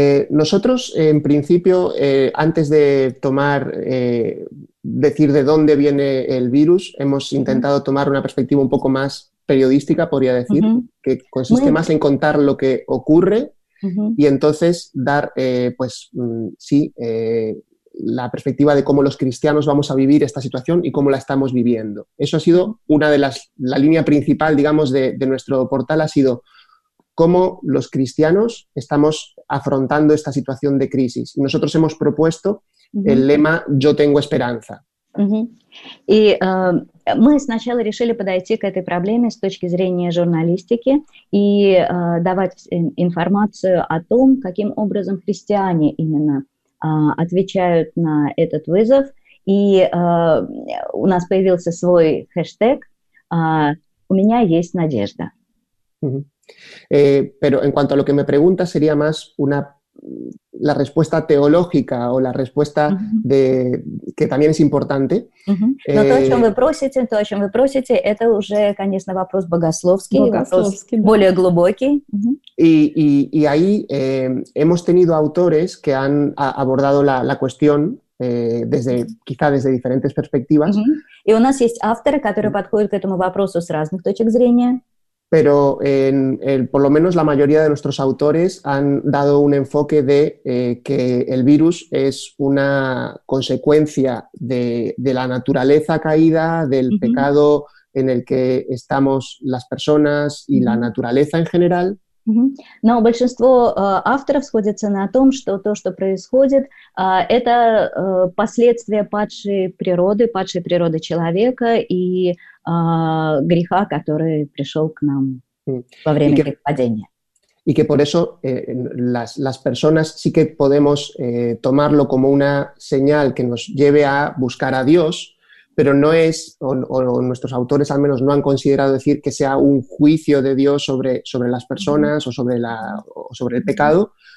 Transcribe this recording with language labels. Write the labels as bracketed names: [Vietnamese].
[Spanish] Nosotros, en principio, antes de tomar, decir de dónde viene el virus, hemos intentado tomar una perspectiva un poco más periodística, podría decir, que consiste más en contar lo que ocurre y entonces dar, la perspectiva de cómo los cristianos vamos a vivir esta situación y cómo la estamos viviendo. Eso ha sido una de la línea principal, digamos, de nuestro portal ha sido cómo los cristianos estamos afrontando esta situación de crisis. Nosotros hemos propuesto el lema «Yo tengo esperanza». [Russian] И мы сначала решили подойти к этой проблеме с точки зрения журналистики и давать информацию о том, каким образом христиане именно отвечают на этот вызов. И у нас появился свой хэштег «У меня есть надежда». [Spanish] Pero en cuanto a lo que me preguntas, sería más la respuesta teológica o la respuesta de que también es importante. [Russian] Но то, о чем вы просите, это уже, конечно, вопрос богословский, богословский вопрос, да, более глубокий. [Spanish] Y ahí hemos tenido autores que han abordado la cuestión desde quizá desde diferentes perspectivas. [Russian] И у нас есть авторы, которые подходят к этому вопросу с разных точек зрения. [Spanish] Pero por lo menos la mayoría de nuestros autores han dado un enfoque de que el virus es una consecuencia de la naturaleza caída, del pecado en el que estamos las personas y la naturaleza en general. [Russian] Но большинство авторов сходятся на том, что то, что происходит, это последствия падшей природы человека и греха, который пришел к нам во время их падения. [Spanish] Y que por eso las personas sí que podemos tomarlo como una señal que nos lleve a buscar a Dios, pero no es, o nuestros autores al menos no han considerado decir que sea un juicio de Dios sobre las personas o sobre el pecado,